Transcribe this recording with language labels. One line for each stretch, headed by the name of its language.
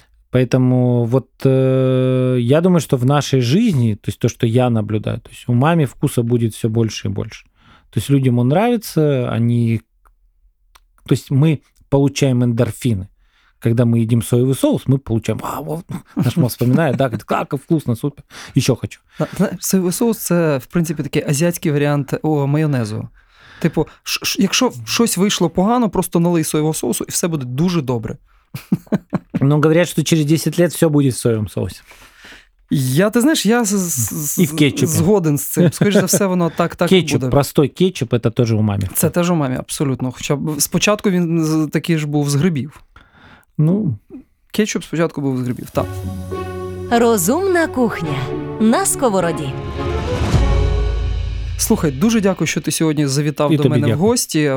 Russian: Поэтому вот я думаю, что в нашей жизни, то есть то, что я наблюдаю, то есть умами вкуса будет все больше и больше. То есть людям он нравится, они... То есть мы получаем эндорфины, когда мы едим соевый соус, мы получаем, наш мозг вспоминает, да, как вкусно, супер, еще хочу. Соевый соус – это, в принципе,
Ukrainian: такий азиатський варіант майонезу. Типу, якщо щось вийшло погано, просто налий соевого соусу, і все буде дуже добре.
Russian: Ну, говорят, что через 10 лет все будет в соевом соусе. Я, ты знаешь, я
Ukrainian: згоден
Russian: с этим.
Ukrainian: Скоріше за все, воно так кетчуп, буде.
Russian: Простой кетчуп, это тоже умамі.
Ukrainian: Це теж умамі, абсолютно. Хоча спочатку він такий ж був з грибів. Ну. Кетчуп спочатку був з грибів, так. Розумна кухня на сковороді. Слухай, дуже дякую, що ти сьогодні завітав і до мене дякую. В гості.